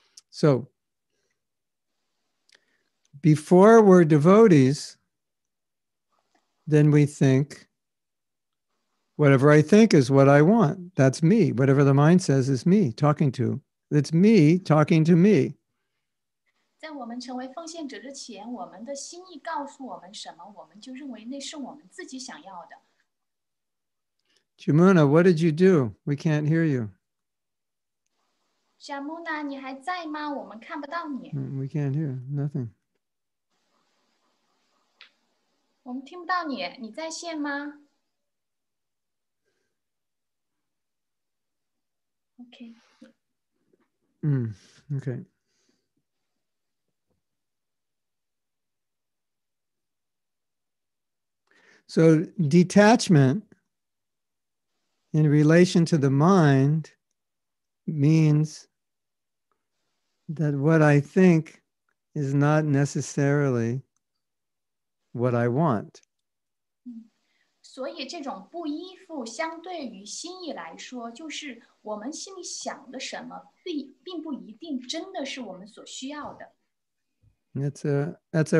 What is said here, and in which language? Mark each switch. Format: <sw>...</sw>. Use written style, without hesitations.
<en>So, before we're devotees, then we think, whatever I think is what I want. That's me. Whatever the mind says is me talking to. It's me talking to me.</en> <zh>在我们成为奉献者之前，我们的心意告诉我们什么，我们就认为那是我们自己想要的。</zh> <en>Jamuna, what did you do? We can't hear you.</en> <zh>Jamuna, 你还在吗?我们看不到你。</zh> <en>We can't hear. Nothing.</en> <zh>我们听不到你，你在线吗？</zh> <en>Okay. Okay. So detachment in relation to the mind means that what I think is not necessarily what I want.</en> <zh>所以这种不依附相对于心意来说，就是我们心里想的什么，并不一定真的是我们所需要的。</zh> <en>That's a</en>